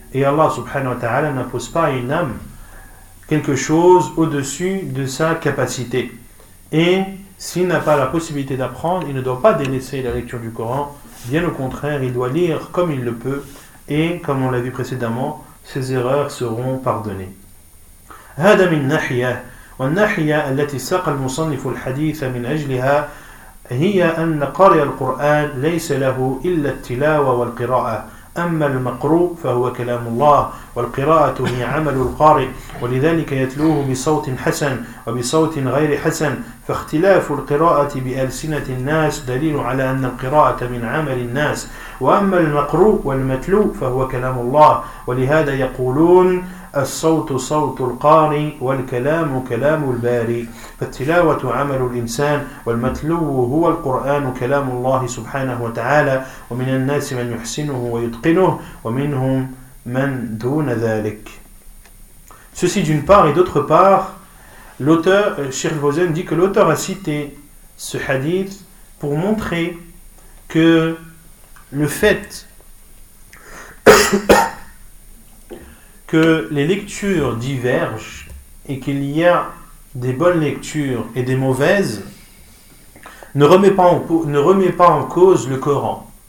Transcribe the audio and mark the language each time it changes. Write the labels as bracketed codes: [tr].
[fr] Et Allah subhanahu wa ta'ala n'impose pas à une âme quelque chose au-dessus de sa capacité. Et s'il n'a pas la possibilité d'apprendre, il ne doit pas délaisser la lecture du Coran. Bien au contraire, il doit lire comme il le peut. Et comme on l'a vu précédemment, ses erreurs seront pardonnées. [ar] هذا من ناحية والناحية التي ساق المصنف الحديث من أجلها هي أن قارئ القرآن ليس له إلا التلاوة والقراءة. أما المقروء فهو كلام الله والقراءة هي عمل القارئ ولذلك يتلوه بصوت حسن وبصوت غير حسن فاختلاف القراءة بألسنة الناس دليل على أن القراءة من عمل الناس وأما المقروء والمتلو فهو كلام الله ولهذا يقولون الصوت صوت القارئ والكلام كلام الباري فالتلاوة عمل الإنسان والمتلو هو القرآن كلام الله سبحانه وتعالى ومن الناس من يحسنه ويتقنه ومنهم من دون ذلك. [fr] Ceci d'une part, et d'autre part, l'auteur Cheikh Fawzan dit que l'auteur a cité ce hadith pour montrer que le fait que les lectures divergent et qu'il y a des bonnes lectures et des mauvaises ne remet pas en cause le Coran.